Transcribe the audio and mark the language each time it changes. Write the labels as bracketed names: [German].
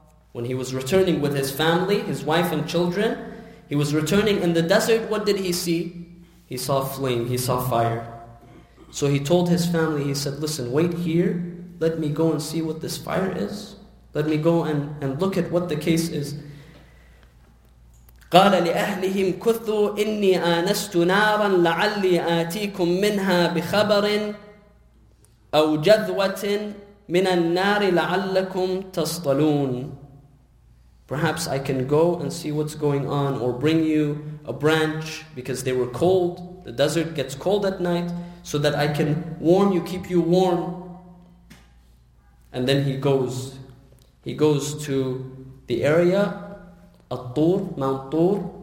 [English] When he was returning with his family, his wife and children, he was returning in the desert, what did he see? He saw flame, he saw fire. So he told his family, he said, listen, wait here, let me go and see what this fire is. Let me go and look at what the case is. [Arabic] قال لأهلهم كثوا إني آنست نارا لعلي آتيكم منها بخبر أو جذوة من النار لعلكم تصطلون. [English] Perhaps I can go and see what's going on, or bring you a branch, because they were cold. The desert gets cold at night, so that I can warm you, keep you warm. And then he goes to the area, الطور, Mount Tur.